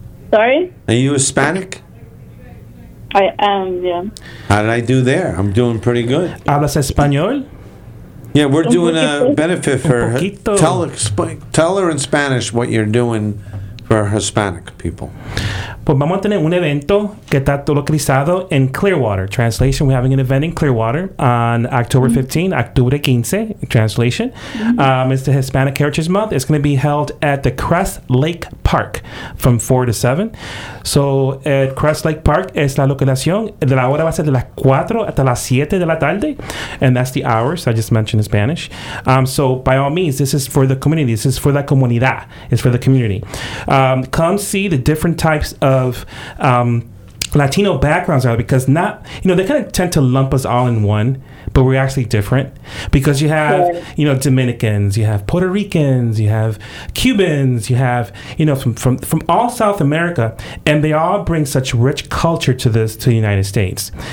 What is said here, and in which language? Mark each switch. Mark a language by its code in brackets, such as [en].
[en] Sorry? Are you Hispanic? I am, yeah. How did I do there? I'm doing pretty good. [es] ¿Hablas español? [en] Yeah, we're doing a benefit for her. Tell her in Spanish what you're doing for Hispanic people. [es] Pues vamos a tener un evento que está todo localizado en Clearwater. [en] Translation, we're having an event in Clearwater on October 15, [es] octubre 15, [en] translation. It's the Hispanic Heritage Month. It's going to be held at the Crest Lake Park from 4 to 7. [es] So, at Crest Lake Park es la localización. De la hora va a ser de las 4 hasta las 7 de la tarde. [en] And that's the hours I just mentioned in Spanish. So, by all means, this is for the community. This is for [es] la comunidad. [en] It's for the community. Come see the different types of Latino backgrounds are, because not, you know, they kind of tend to lump us all in one, but we're actually different, because you have, you know, Dominicans, you have Puerto Ricans, you have Cubans, you have, you know, from all South America, and they all bring such rich culture to this, to the United States.